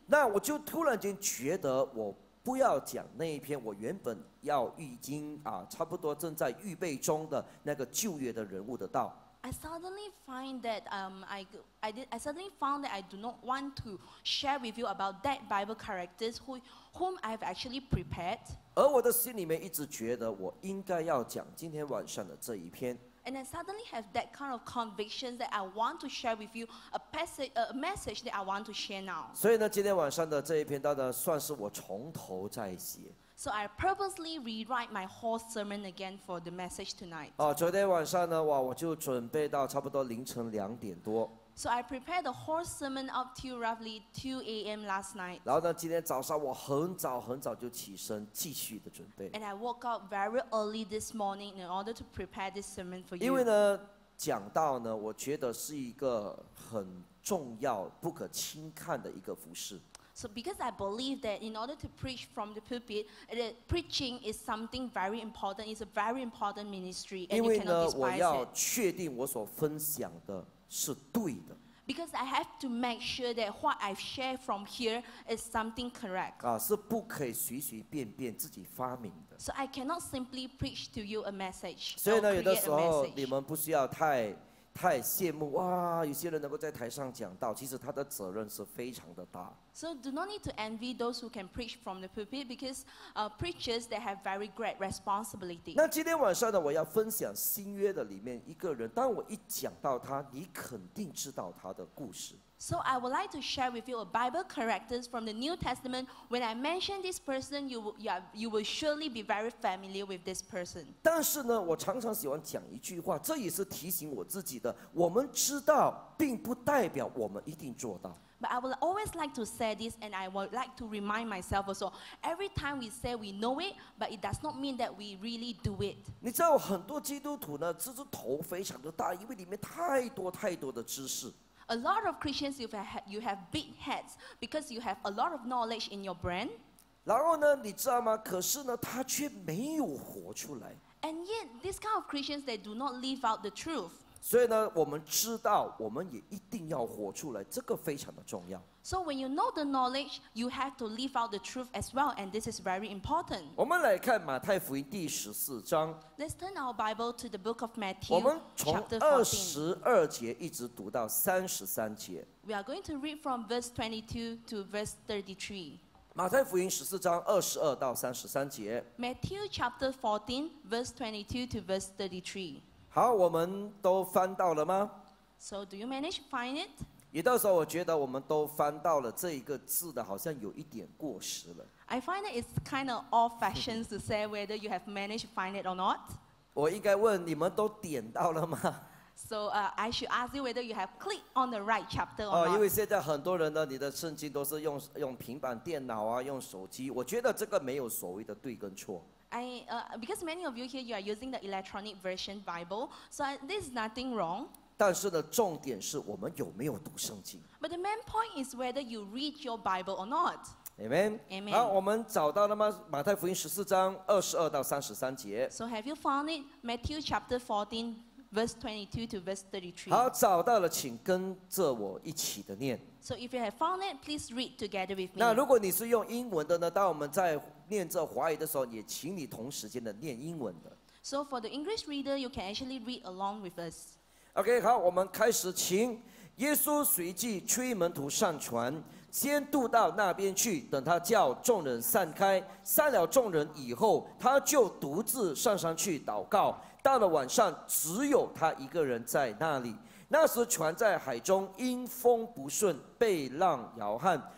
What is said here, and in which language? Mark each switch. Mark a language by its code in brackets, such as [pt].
[zh] 那我就突然间觉得我不要讲那一篇我原本要已经差不多正在预备中的那个旧约的人物的道。 [en] I suddenly find that I suddenly found that I do not want to share with you about that Bible characters whom I've actually prepared. [zh] 而我的心里面一直觉得我应该要讲今天晚上的这一篇。 [en] And I suddenly have that kind of conviction that I want to share with you a message that I want to share now. [zh] 所以呢，今天晚上的这一篇道呢，算是我从头再写。 [en] So I purposely rewrite my whole sermon again for the message tonight. [zh] 昨天晚上呢，我就准备到差不多凌晨两点多。 [en] So I prepared the whole sermon up to roughly 2 a.m. last night. [zh] 然后呢，今天早上我很早很早就起身，继续的准备。 [en] And I woke up very early this morning in order to prepare this sermon for you. [zh] 因为呢，讲到呢，我觉得是一个很重要、不可轻看的一个服事。 [en] So because I believe that in order to preach from the pulpit, that preaching is something very important. It's a very important ministry, and you cannot despise it. [zh] 因为呢，我要确定我所分享的。是对的。 [en] Because I have to make sure that what I've shared from here is something correct. [zh] 是不可以随随便便自己发明的。 [en] So I cannot simply preach to you a message. [zh] 所以呢，有的时候你们不需要太羡慕哇，有些人能够在台上讲道，其实他的责任是非常的大。 [en] So do not need to envy those who can preach from the pulpit because preachers they have very great responsibility. [zh] 那今天晚上呢，我要分享新约的里面一个人，当我一讲到他，你肯定知道他的故事。 [en] So I would like to share with you a Bible character from the New Testament. When I mention this person, you will surely be very familiar with this person. [zh] 但是呢，我常常喜欢讲一句话，这也是提醒我自己的。我们知道，并不代表我们一定做到。 [en] But I would always like to say this, and I would like to remind myself also. Every time we say we know it, but it does not mean that we really do it. [zh] 你知道很多基督徒呢，其实头非常的大，因为里面太多太多的知识。 [en] A lot of Christians, you have big heads because you have a lot of knowledge in your brain. [zh] 然后呢，你知道吗？可是呢，他却没有活出来。 [en] And yet, this kind of Christians, they do not live out the truth. [zh] 所以呢，我们知道，我们也一定要活出来，这个非常的重要。 [en] So when you know the knowledge, you have to live out the truth as well, and this is very important. [zh] 我们来看马太福音第十四章。 [en] Let's turn our Bible to the book of Matthew, chapter [zh] 我们从二十二节一直读到三十三节。 [en] We are going to read from verse 22 to verse 33. [zh] 马太福音十四章二十二到三十三节。 [en] Matthew chapter 14, verse 22 to verse 33. [zh] 好，我们都翻到了吗 [en] ？So do you manage to find it? [zh] 也到时候我觉得我们都翻到了这一个字的，好像有一点过时了。 [en] I find that it's kind of old fashion to say whether you have managed to find it or not. [zh] 我应该问你们都点到了吗？ [en] So, I should ask you whether you have clicked on the right chapter or not. [zh] 因为现在很多人呢，你的圣经都是用平板电脑啊，用手机。我觉得这个没有所谓的对跟错。 [en] Because many of you here, you are using the electronic version Bible, so there is nothing wrong. [zh] 但是呢，重点是我们有没有读圣经。 [en] But the main point is whether you read your Bible or not. Amen. Amen. [zh] 好，我们找到了吗？马太福音十四章二十二到三十三节。 [en] So have you found it? Matthew chapter 14. Verse 22 to verse 33. [zh] 好，找到了，请跟着我一起的念。 [en] So if you have found it, please read together with me. [zh] 那如果你是用英文的呢？当我们在念这华语的时候，也请你同时间的念英文的。 [en] So for the English reader, you can actually read along with us. [zh] Okay, 好，我们开始，请耶稣随即催门徒上船，先渡到那边去，等他叫众人散开，散了众人以后，他就独自上山去祷告。到了晚上，只有他一个人在那里。那时船在海中，因风不顺，被浪摇撼。